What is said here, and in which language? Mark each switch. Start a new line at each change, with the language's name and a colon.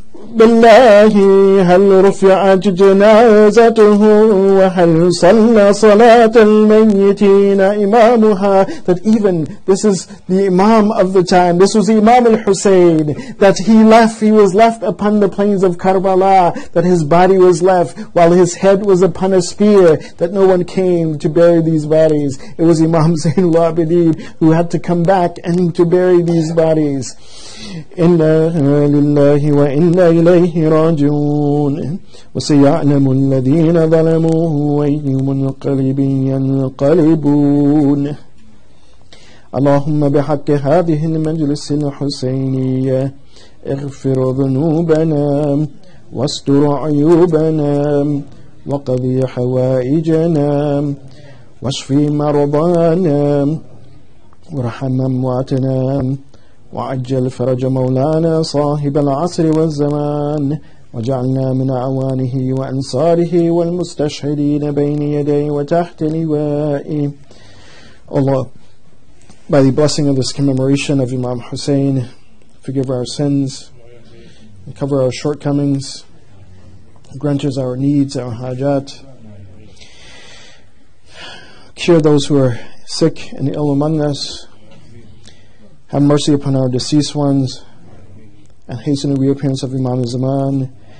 Arabic: بالله هل رفعت جنازته وهل صلى صلاة الميتين إمامها.
English: That even this is the Imam of the time, this was the Imam al-Hussein, that he was left upon the plains of Karbala, that his body was left while his head was upon a spear, that no one came to bury these bodies. It was Imam Zain al-Abidin who had to come back and to bury these bodies.
Arabic: إنا لله وإنا إليه راجعون وسيعلم الذين ظلموا أي منقلب ينقلبون. اللهم بحق هذه المجلس الحسينية اغفر ذنوبنا واستر عيوبنا وقضي حوائجنا واشفي مرضانا وارحم أمواتنا وعجل فرج مولانا صاحب العصر والزمان وجعلنا من أعوانه وأنصاره والمستشهدين بين يديه وتحت لوائه.
English: Allah, by the blessing of this commemoration of Imam Hussein, forgive our sins, cover our shortcomings, grant us our needs, our hajat, cure those who are sick and ill among us, have mercy upon our deceased ones, and hasten the reappearance of Imam Zaman.